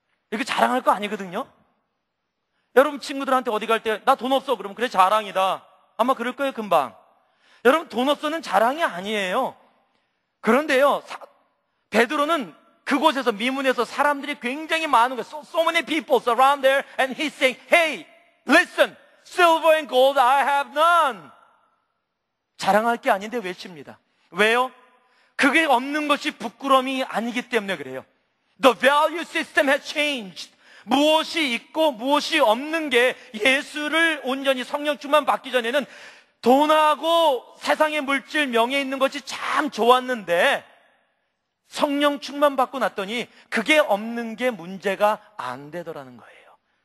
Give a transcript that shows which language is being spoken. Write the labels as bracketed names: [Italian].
[Korean] 이거 자랑할 거 아니거든요. 여러분, 친구들한테 어디 갈 때 나 돈 없어 그러면 그래 자랑이다 아마 그럴 거예요. 금방. 여러분, 돈 없어는 자랑이 아니에요. 그런데요, 베드로는 그곳에서, 미문에서 사람들이 굉장히 많은 거예요. [English] So many people around there and he's saying, Hey, listen, silver and gold I have none. [Korean] 자랑할 게 아닌데 외칩니다. 왜요? 그게 없는 것이 부끄러움이 아니기 때문에 그래요. [English] The value system has changed. [Korean] 무엇이 있고 무엇이 없는 게, 예수를 온전히 성령충만 받기 전에는 돈하고 세상의 물질, 명예 있는 것이 참 좋았는데 성령 충만 받고 났더니 그게 없는 게 문제가 안 되더라는 거예요.